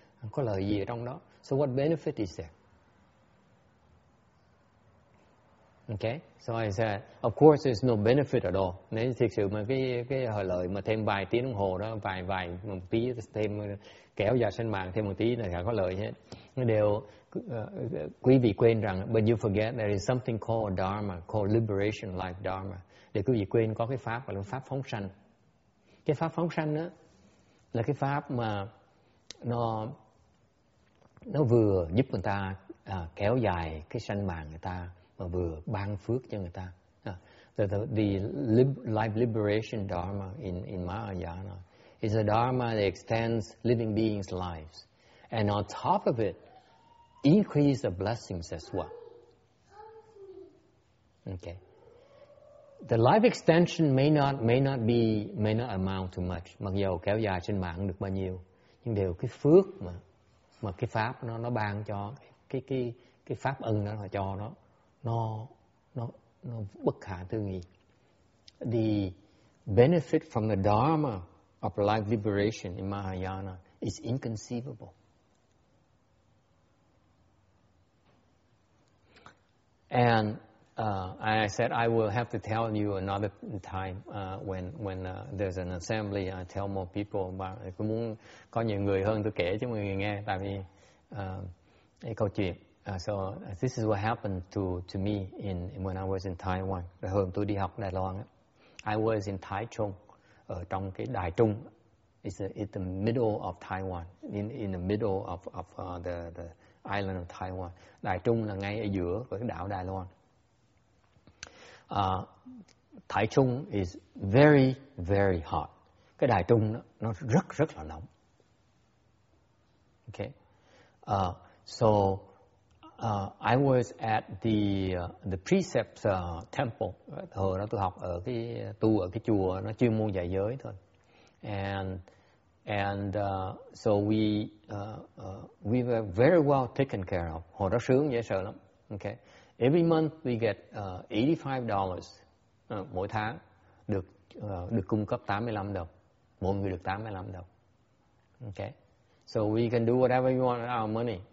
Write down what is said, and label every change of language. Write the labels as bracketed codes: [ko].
[vi] Không có lợi gì ở trong đó. [en] So what benefit is there? Okay, so I said, of course, there's no benefit at all. [vi] Nên thực sự mà cái hồi lợi mà thêm vài tiếng đồng hồ đó, vài một tí thêm kéo dài sinh mạng thêm một tí là chẳng có lợi hết. Đều quý vị quên rằng, [en] but you forget there is something called dharma, called liberation life dharma. [vi] Để quý vị quên có cái pháp gọi là pháp phóng sanh. Cái pháp phóng sanh đó là cái pháp mà nó vừa giúp người ta kéo dài cái sinh mạng người ta. Mà vừa ban phước cho người ta. [en] Life liberation dharma in Mahayana is a dharma that extends living beings' lives. And on top of it, increase the blessings as well. Okay. The life extension may not amount to much. [vi] Mặc dù kéo dài trên mạng được bao nhiêu, nhưng đều cái phước mà cái pháp nó ban cho, cái pháp ân nó cho nó. Nó bất khả tư nghị. [en] The benefit from the dharma of life liberation in Mahayana is inconceivable. And I said I will have to tell you another time when there's an assembly. I tell more people about it. [vi] Cũng muốn có nhiều người hơn tôi kể cho mọi người nghe, tại vì cái câu chuyện. [en] So this is what happened to me in when I was in Taiwan. [vi] Hôm tôi đi học Đài Loan, [en] I was in Taichung, [vi] ở trong cái Đài Trung. [en] It's the middle of Taiwan, in the middle of the island of Taiwan. [vi] Đài Trung là ngay ở giữa với đảo Đài Loan. [en] Taichung is very very hot. [vi] Cái Đài Trung nó rất rất là nóng. Okay, so [en] I was at the precept temple. [vi] Hồi đó tôi học ở cái tu ở cái chùa nó chuyên môn dạy giới thôi. [en] And so we were very well taken care of. [vi] Hồi đó sướng dễ sợ lắm. Okay. [en] Every month we get $85 [vi] mỗi tháng được được cung cấp $85. Mỗi người được $85. Okay. [en] So we can do whatever you want with our money.